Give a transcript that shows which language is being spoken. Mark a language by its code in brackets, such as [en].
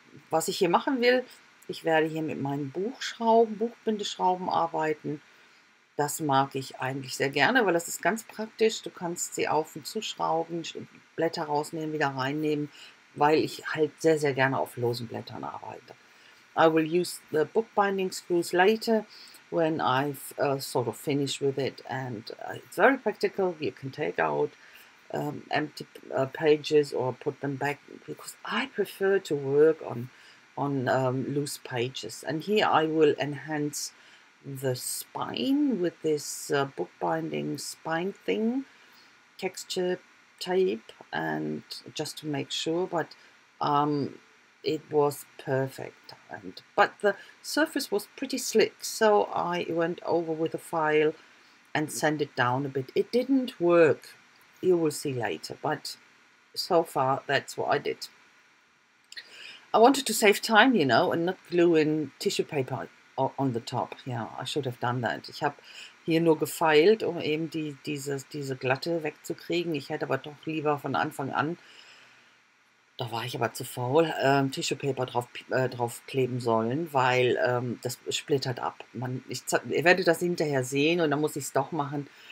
[de] Was ich hier machen will, ich werde hier mit meinen Buchbindeschrauben arbeiten. Das mag ich eigentlich sehr gerne, weil das ist ganz praktisch. Du kannst sie auf- und zuschrauben, Blätter rausnehmen, wieder reinnehmen, weil ich halt sehr, sehr gerne auf losen Blättern arbeite. [en] I will use the bookbinding screws later when I've sort of finished with it. And it's very practical, you can take out empty pages or put them back, because I prefer to work on loose pages. And here I will enhance the spine with this bookbinding spine thing, texture tape, and just to make sure, but it was perfect. But the surface was pretty slick, so I went over with a file and sand it down a bit. It didn't work. You will see later, but so far that's what I did. I wanted to save time, you know, and not glue in tissue paper on the top. Yeah, I should have done that. [de] Ich habe hier nur gefeilt, um eben diese Glatte wegzukriegen. Ich hätte aber doch lieber von Anfang an, da war ich aber zu faul, Tissue paper drauf kleben sollen, weil das splittert ab. Ihr werdet das hinterher sehen und dann muss ich es doch machen.